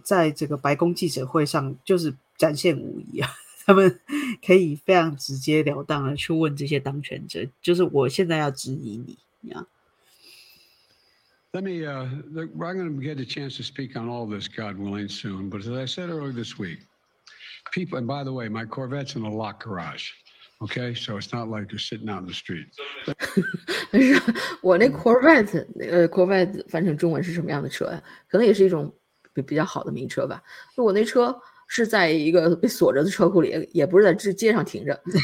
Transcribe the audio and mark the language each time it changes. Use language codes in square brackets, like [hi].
[zh] 然后我觉得，要是我不会这么敢这么提问的。这个按照我们华人的传统，对年纪大的人还是要尊重一些，是吧？而且他就是一个所谓身高位重的那种。你看这个，人家拜登也没生气。我觉得记者这个无冕王的这个待遇，在这个白宫记者会上就是展现无疑啊。他们可以非常直截了当的去问这些当权者，就是我现在要质疑你，你知道。 [en] I'm going to get a chance to speak on all this, God willing, soon. But as I said earlier this week, people, and by the way, my Corvette's in a locked garage. Okay, so it's not like you're sitting out in the street. [zh] 我那 Corvette， Corvette 翻成中文是什么样的车呀？可能也是一种比较好的名车吧。就我那车是在一个被锁着的车库里，也不是在街上停着。